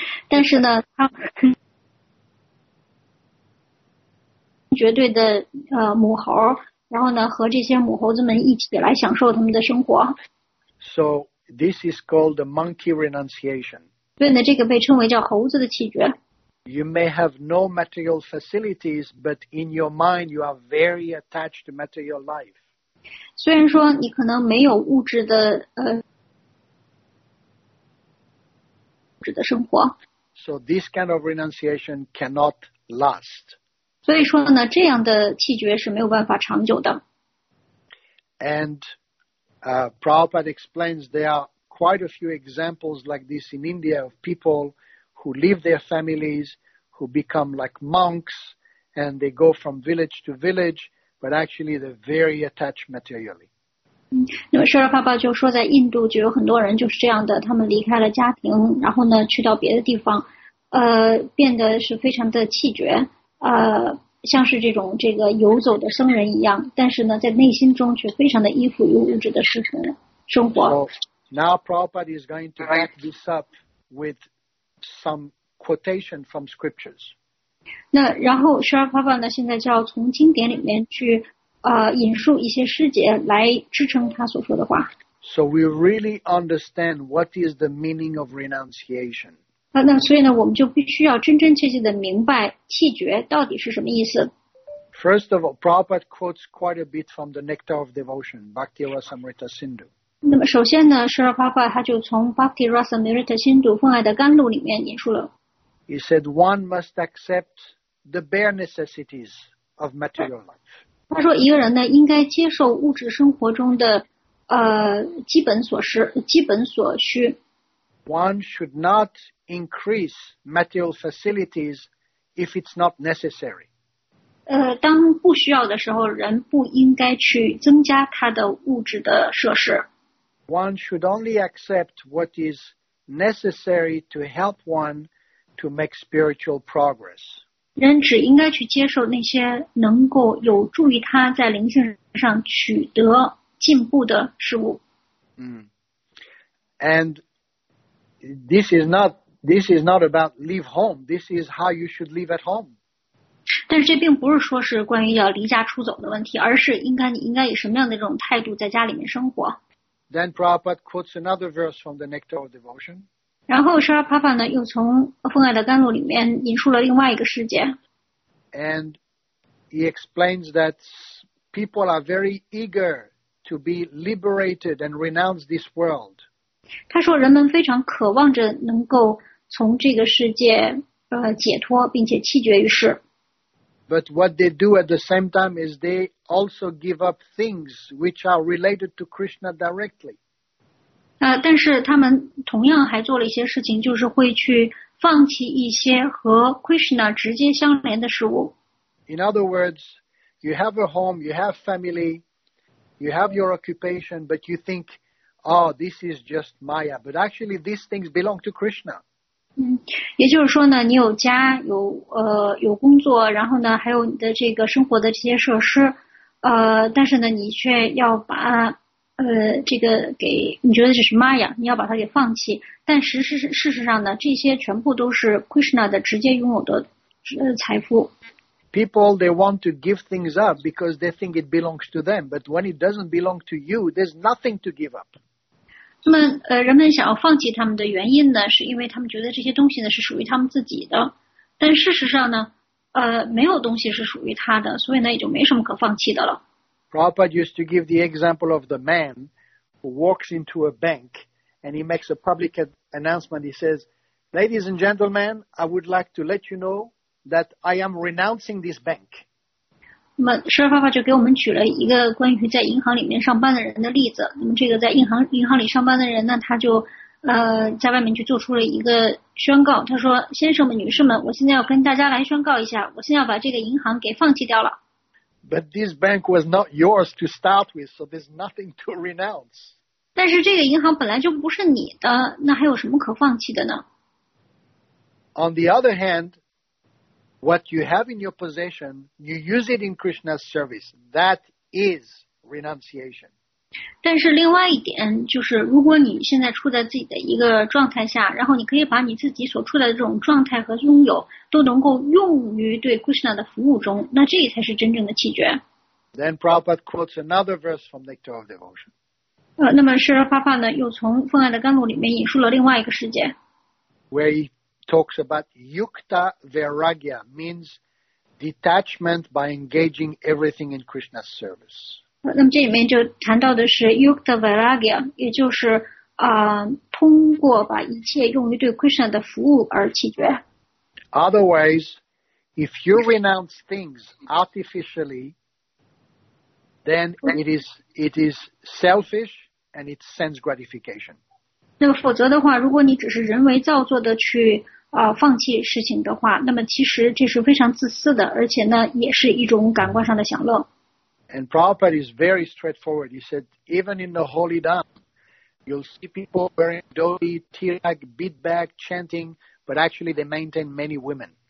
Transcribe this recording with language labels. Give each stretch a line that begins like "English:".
Chinese: 但是呢，他绝对的母猴，然后呢和这些母猴子们一起来享受他们的生活。
English: So this is called the monkey renunciation.
Chinese: 对呢，这个被称为叫猴子的弃绝。
English: You may have no material facilities, but in your mind, you are very attached to material life.
Chinese: 虽然说你可能没有物质的生活。
English: So this kind of renunciation cannot last.
Chinese: 所以说呢，这样的弃绝是没有办法长久的。
English: And Prabhupada explains there are quite a few examples like this in India of people who leave their families, who become like monks, and they go from village to village, but actually they're very attached materially.
Chinese: 那么舍勒帕巴就说，在印度就有很多人就是这样的，他们离开了家庭，然后呢去到别的地方，变得是非常的气绝，像是这种这个游走的僧人一样，但是呢在内心中却非常的依附于物质的事情生活。
English: So, now Prabhupada is going to wrap this up with some quotation from scriptures.
Chinese: 那然后舍勒帕巴呢现在就要从经典里面去引述一些诗节来支撑他所说的话。
English: So we really understand what is the meaning of renunciation.
Chinese: 那所以呢我们就必须要真真切切地明白弃绝到底是什么意思。
English: First of all, Prabhupada quotes quite a bit from the Nectar of Devotion, Bhakti Rasamrita Sindhu.
Chinese: 那么首先呢舍勒帕巴他就从 Bhakti Rasamrita Sindhu, 奉爱的甘露里面引述了。
English: He said one must accept the bare necessities of material life.
Chinese: 他说一个人呢应该接受物质生活中的基本所需。
English: One should not increase material facilities if it's not necessary.
Chinese: 当不需要的时候人不应该去增加他的物质的设施。
English: One should only accept what is necessary to help one to make spiritual progress.
Chinese: 人只应该去接受那些能够有助于他在灵性上取得进步的事物。
English: And this is not about leave home. This is how you should live at home.
Chinese: 但是这并不是说是关于要离家出走的问题，而是你应该以什么样的这种态度在家里面生活。
English: Then Prabhupada quotes another verse from the Nectar of Devotion.
Chinese: 然后舍勒帕巴呢又从奉爱的甘露里面引述了另外一个诗节。
English: And he explains that people are very eager to be liberated and renounce this world.
Chinese: 他说人们非常渴望着能够从这个世界解脱并且弃绝于世。
English: But what they do at the same time is they also give up things which are related to Krishna directly.
Chinese: 但是他们同样还做了一些事情，就是会去放弃一些和 Krishna 直接相连的事物。
English: In other words, you have a home, you have family, you have your occupation, but you think, oh, this is just Maya. But actually, these things belong to Krishna.
Chinese: 也就是说呢，你有家，有工作，然后呢，还有你的这个生活的这些设施，但是呢，你却要把。这个给你觉得这是 Maya， 你要把它给放弃。但事实上呢，这些全部都是 Krishna 的直接拥有的财富。
English: People they want to give things up because they think it belongs to them, but when it doesn't belong to you, there's nothing to give up.
Chinese: 那么人们想要放弃他们的原因呢，是因为他们觉得这些东西呢是属于他们自己的。但事实上呢，没有东西是属于他的，所以呢也就没什么可放弃的了。
English: Prabhupada used to give the example of the man who walks into a bank and he makes a public announcement. He says, ladies and gentlemen, I would like to let you know that I am renouncing this bank.
Chinese: 那么舍勒帕巴就给我们举了一个关于在银行里面上班的人的例子。那么这个在银行里上班的人呢，他就在外面就做出了一个宣告。他说，先生们、女士们，我现在要跟大家来宣告一下，我现在要把这个银行给放弃掉了。
English: But this bank was not yours to start with, so there's nothing to renounce.
Chinese: 但是这个银行本来就不是你的，那还有什么可放弃的呢？
English: On the other hand, what you have in your possession, you use it in Krishna's service. That is renunciation.
Chinese: 但是另外一点就是，如果你现在处在自己的一个状态下，然后你可以把你自己所处在的这种状态和拥有都能够用于对 Krishna 的服务中，那这才是真正的弃绝。
English: Then Prabhupada quotes another verse from Nectar of Devotion.
Chinese: 那么舍勒帕巴呢，又从《奉爱的甘露》里面引述了另外一个世界
English: ，where he talks about yukta vairagya means detachment by engaging everything in Krishna's service.
Chinese: 那么这里面就谈到的是 Yukta Vairagya， 也就是通过把一切用于对 Krishna 的服务而弃绝。
English: Otherwise, if you renounce things artificially, then it is selfish and it sends gratification.
Chinese: 那么否则的话，如果你只是人为造作的去放弃事情的话，那么其实这是非常自私的，而且呢，也是一种感官上的享乐。
English: And Prabhupada is very straightforward. He said, even in the holy dhamma, you'll see people wearing dhoti, tirag, bead bag, chanting, but actually they maintain many women.